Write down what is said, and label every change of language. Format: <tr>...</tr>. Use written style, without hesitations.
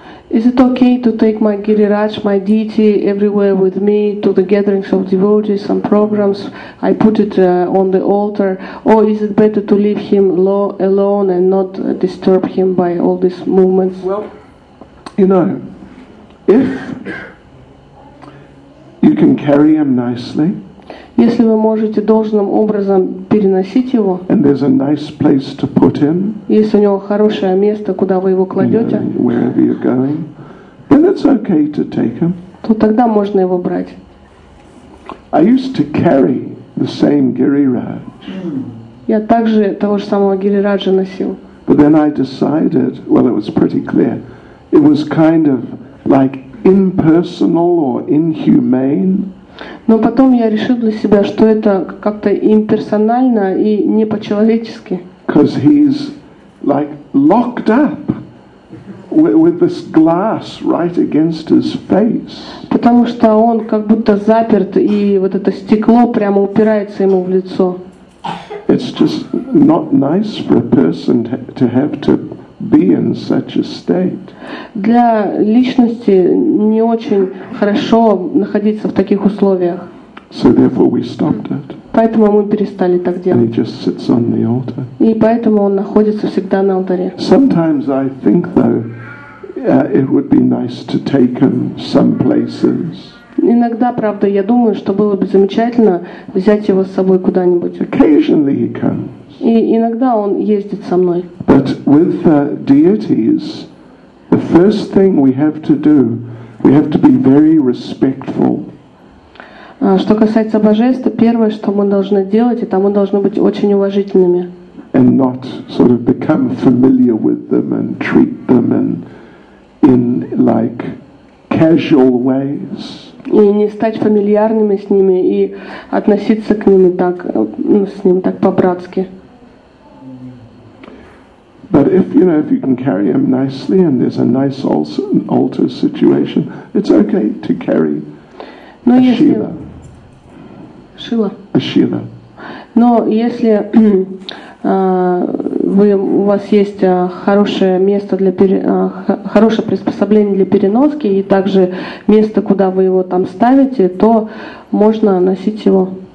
<en>Is it okay to take my Giriraj, my deity, everywhere with me to the gatherings of devotees and programs? I put it on the altar. Or is it better to leave him alone and not disturb him by all these movements? Well, you know, if you can carry him nicely,</en> <ru>Если вы можете должным образом переносить его,</ru> <en>and there's a nice place to put him,</en> <ru>если у него хорошее место, куда вы его кладете,</ru> <en>you know, wherever you're going, then it's okay to take him.</en> <ru>То тогда можно его брать.</ru> <en>I used to carry the same Гирирадж.</en> <ru>Я также того же самого Гирираджа носил.</ru> <en>But then I decided, well, it was pretty clear, it was kind of like impersonal or inhumane.</en> <ru>Но потом я решил для себя, что это как-то имперсонально и не по-человечески.</ru> <en>Because he's like locked up with this glass right against his face.</en> <ru>Потому что он как будто заперт, и вот это стекло прямо упирается ему в лицо.</ru> <en>It's just not nice for a person to have to be in such a state.</en> <ru>Для личности не очень хорошо находиться в таких условиях.</ru> <en>So therefore we stopped it.</en> <ru>Поэтому мы перестали так делать.</ru> <en>And he just sits on the altar.</en> <ru>И поэтому он находится всегда на алтаре.</ru> <en>Sometimes I think though it would be nice to take him some places.</en> <ru>Иногда, правда, я думаю, что было бы замечательно взять его с собой куда-нибудь.</ru> <en>Occasionally he comes.</en> <ru>И иногда он ездит со мной.</ru> <en>But with deities, the first thing we have to do, we have to be very respectful.</en> <ru>Что касается божеств, первое, что мы должны делать, это мы должны быть очень уважительными.</ru> <en>And not sort of become familiar with them and treat them in like casual ways.</en> <ru>И не стать фамильярными с ними и относиться к ним так, ну, с ним так по-братски.</ru> <en>But if you know if you can carry him nicely and there's a nice altar situation, it's okay to carry</en> <ru>Шила. Но если у вас есть хорошее место для хорошее приспособление для переноски и также место, куда вы его там ставите, то можно носить его.</ru>